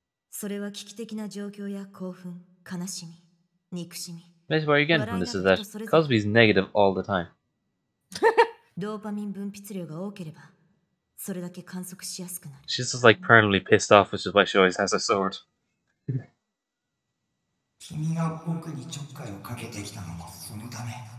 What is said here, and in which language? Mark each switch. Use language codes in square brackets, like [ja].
[ja] それは危機的な状況や興奮、悲しみ、憎しみ。 [en] That's where you're getting from this is that Cosby's negative all the time. [ja] ドーパミン分泌量が多ければ、それだけ観測しやすくなる。 [en] She's just like permanently pissed off, which is why she always has a sword. [ja] 君が僕にちょっかいをかけてきたのもそのため。